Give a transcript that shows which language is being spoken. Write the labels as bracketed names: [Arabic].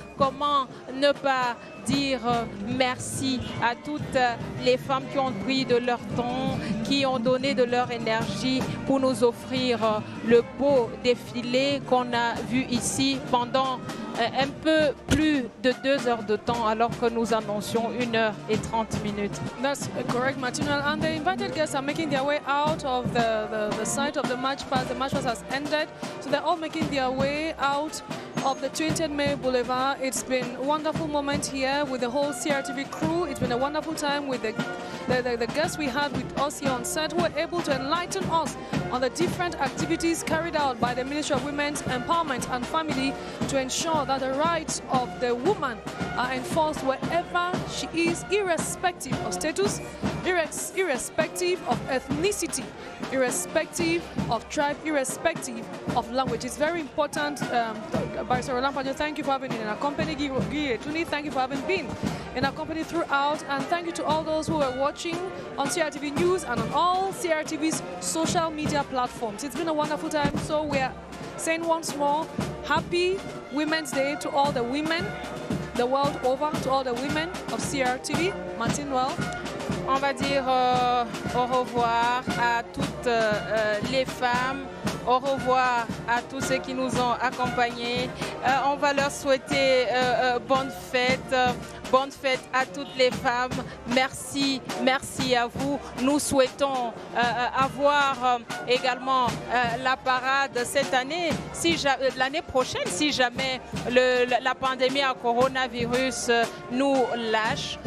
[French] Comment ne pas dire merci à toutes les femmes qui ont pris de leur temps, qui ont donné de leur énergie pour nous offrir le beau défilé qu'on a vu ici pendant un peu plus de 2 heures de temps, alors que nous annoncions 1h30. [English] That's correct, Matinal. And the invited guests are making their way out of the site of the match pass. The match pass has ended, so they're all making their way out of the 20th May Boulevard. It's been a wonderful moment here with the whole CRTV crew. It's been a wonderful time with the guests we had with us here on set, who were able to enlighten us on the different activities carried out by the Ministry of Women's Empowerment and Family to ensure that the rights of the woman are enforced wherever she is, irrespective of status, irrespective of ethnicity, irrespective of tribe, irrespective of language. It's very important. Barrister Olampanjo, thank you for having been in our company. Guille Tuni, thank you for having been in our company throughout. And thank you to all those who are watching on CRTV News and on all CRTV's social media platforms. It's been a wonderful time. So we are saying once more, happy Women's Day to all the women the world over, to all the women of CRTV. Martin, well. [French] On va dire au revoir à toutes les femmes, au revoir à tous ceux qui nous ont accompagnés. On va leur souhaiter bonne fête à toutes les femmes. Merci, merci à vous. Nous souhaitons avoir également la parade cette année, l'année prochaine, si jamais la pandémie à coronavirus nous lâche.